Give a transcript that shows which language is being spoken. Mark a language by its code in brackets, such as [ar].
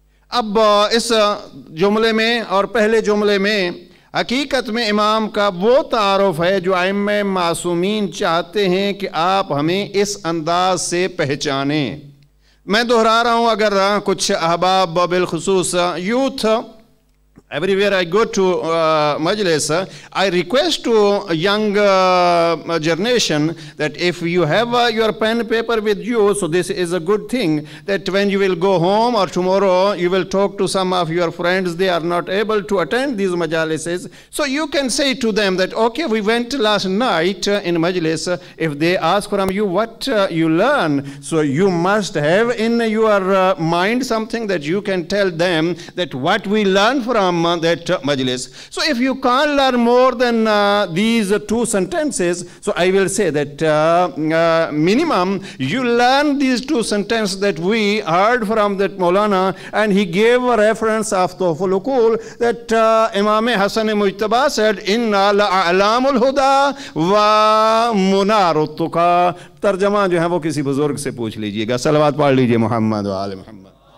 [ur] اب اس جملے میں اور پہلے جملے میں حقیقت میں امام کا وہ تعارف ہے جو ائمہ معصومین چاہتے ہیں کہ آپ ہمیں اس انداز سے پہچانیں میں دہرا رہا ہوں اگر کچھ احباب بالخصوص youth [en] Everywhere I go to Majlis, I request to young generation that if you have your pen paper with you, so this is a good thing, that when you will go home or tomorrow, you will talk to some of your friends, they are not able to attend these Majlises. So you can say to them that, okay, we went last night in Majlis. If they ask from you what you learn, so you must have in your mind something that you can tell them that what we learn from that Majlis. So if you can't learn more than these two sentences, so I will say that minimum you learn these two sentences that we heard from that Maulana and he gave a reference of Tohful Uqul that Imam Hasan Mujtaba said [ar] Inna la'alamul huda wa munarul tuqa [ur] ترجمہ جو ہے وہ کسی بزرگ سے پوچھ لیجئے گا سلوات پڑھ لیجئے محمد و آل محمد